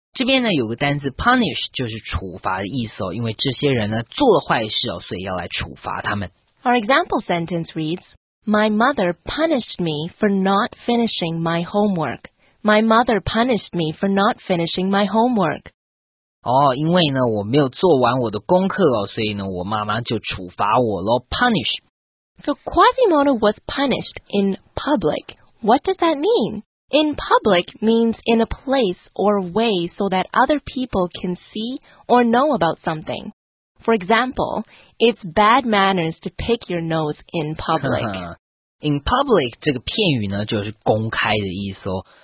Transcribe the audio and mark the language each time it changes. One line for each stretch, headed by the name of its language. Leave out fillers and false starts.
Chinese: 这边呢有个单字 punish 就是处罚的意思哦，因为这些人呢做了坏事哦，所以要来处罚他们。
English: Our example sentence reads, My mother punished me for not finishing my homework. My mother punished me for not finishing my homework.
Chinese: 哦，因为呢我没有做完我的功课哦，所以呢我妈妈就处罚我咯 punish.
English: So Quasimodo was punished in public. What does that mean? In public means in a place or way so that other people can see or know about something. For example, it's bad manners to pick your nose in public.
Chinese: In public, 这个片语呢就是公开的意思哦。